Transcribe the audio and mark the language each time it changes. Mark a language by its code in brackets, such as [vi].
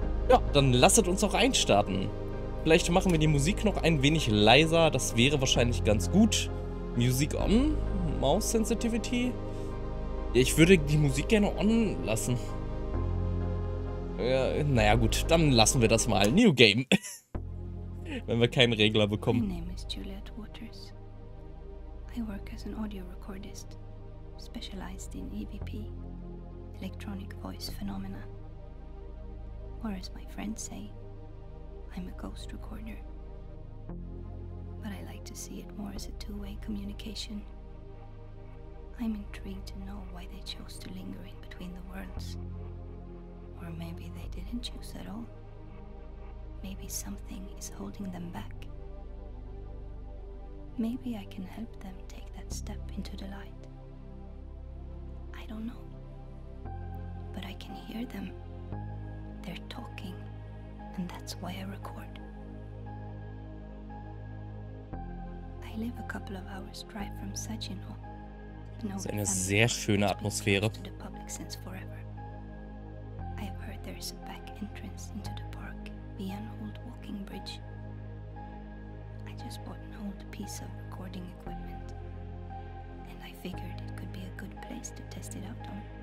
[de] Ja, dann lasst uns auch einstarten. Vielleicht machen wir die Musik noch ein wenig leiser, das wäre wahrscheinlich ganz gut. [en] Music on? Mouse Sensitivity? [de] Ich würde die Musik gerne on lassen. Naja gut, dann lassen wir das mal. New Game. Wenn wir keinen Regler bekommen. [en] My name is Juliet Waters. I work as an audio recordist, specialized in EVP, electronic voice phenomena. Or as my friends say, I'm a ghost recorder, but I like to see it more as a two-way communication. I'm intrigued to know why they chose to linger in between the worlds. Or maybe they didn't choose at all. Maybe something is holding them back. Maybe I can help them take that step into the light. I don't know, but I can hear them. They're talking. And that's why I record. I live a couple of hours drive from Sagino. It's [de] eine sehr schöne Atmosphäre. [en] To the public since forever. I've heard there is a back entrance into the park via an old walking bridge. I just bought an old piece of recording equipment. And I figured it could be a good place to test it out on.